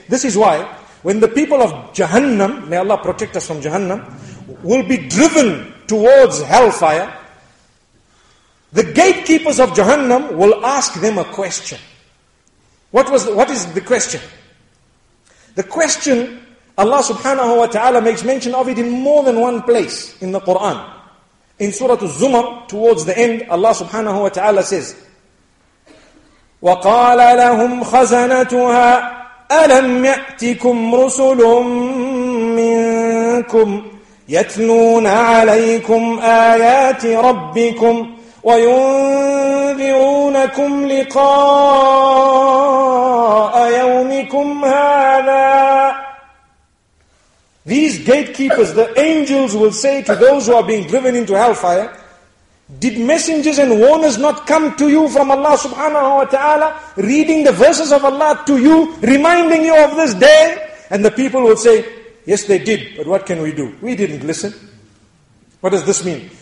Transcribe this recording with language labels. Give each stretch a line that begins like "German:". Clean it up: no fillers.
English: This is why when the people of Jahannam, may Allah protect us from Jahannam, will be driven towards hellfire, the gatekeepers of Jahannam will ask them a question. What is the question? The question, Allah subhanahu wa ta'ala makes mention of it in more than one place in the Quran. In Surah Az-Zumar, towards the end, Allah subhanahu wa ta'ala says,
Arabic: وَقَالَ لَهُمْ خَزَنَتُهَا أَلَمْ يَأْتِكُمْ رُسُلٌ مِّنْكُمْ يَتْلُونَ عَلَيْكُمْ آيَاتِ رَبِّكُمْ وَيُنذِرُونَكُمْ لِقَاءَ يَوْمِكُمْ هَذَا.
English: These gatekeepers, the angels will say to those who are being driven into hellfire, did messengers and warners not come to you from Allah subhanahu wa ta'ala, reading the verses of Allah to you, reminding you of this day? And the people will say, yes they did, but what can we do? We didn't listen. What does this mean?